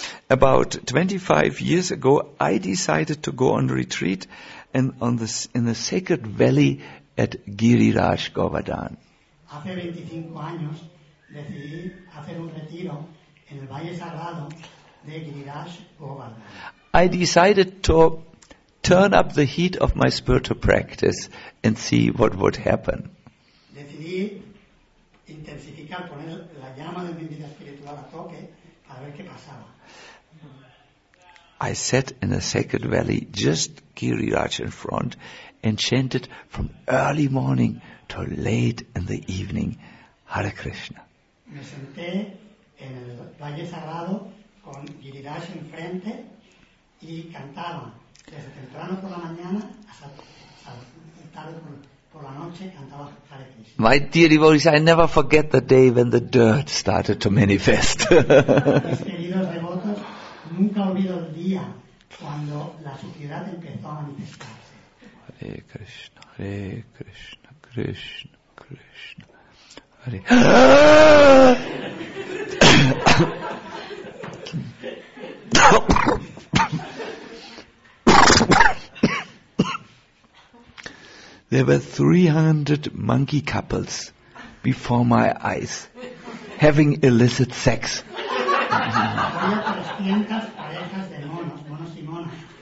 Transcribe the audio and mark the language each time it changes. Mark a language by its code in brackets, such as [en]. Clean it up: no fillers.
[en] About 25 years ago, I decided to go on retreat and in the sacred valley at Giriraj Govardhan. [es] Hace 25 años decidí hacer un retiro en el valle sagrado de Giriraj Govardhan. [en] I decided to turn up the heat of my spiritual practice and see what would happen. [es] Decidí intensificar, poner la llama de mi vida espiritual a tope para ver qué pasaba. [en] I sat in a sacred valley just Giriraj in front and chanted from early morning to late in the evening Hare Krishna. [es] Me senté en el valle sagrado con Giriraj en frente y cantaba desde temprano por la mañana hasta tarde por la noche, cantaba Hare Krishna. [en] My dear devotees, I never forget the day when the dirt started to manifest. [es] Mis queridos devotos, nunca olvido el día cuando la suciedad empezó a manifestarse. [en] Hare Krishna, Krishna, Krishna, Hare. There were 300 monkey couples before my eyes having illicit sex. [es] Había 300 parejas de monos y monas